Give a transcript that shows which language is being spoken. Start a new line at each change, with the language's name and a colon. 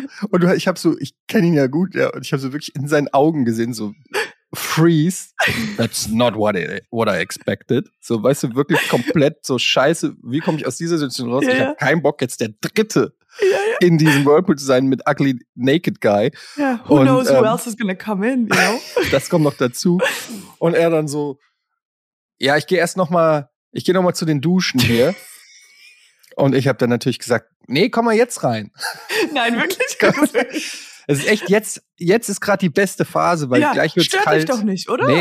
German: Und ich kenne ihn ja gut, ja, und ich habe so wirklich in seinen Augen gesehen, so
English: Freeze, that's not what I expected.
German: So, weißt du, wirklich komplett so scheiße, wie komme ich aus dieser Situation raus? Ja, ich habe keinen Bock, jetzt der Dritte in diesem Whirlpool zu sein mit Ugly Naked Guy.
English: Ja, who knows who else is gonna come in, you know?
German: Das kommt noch dazu. Und er dann so, ja, ich gehe erst nochmal, ich gehe nochmal zu den Duschen hier. Und ich habe dann natürlich gesagt, nee, komm mal jetzt rein. Nein, wirklich? Es ist echt, jetzt ist gerade die beste Phase, weil ja, gleich wird es kalt. Stört dich doch nicht, oder?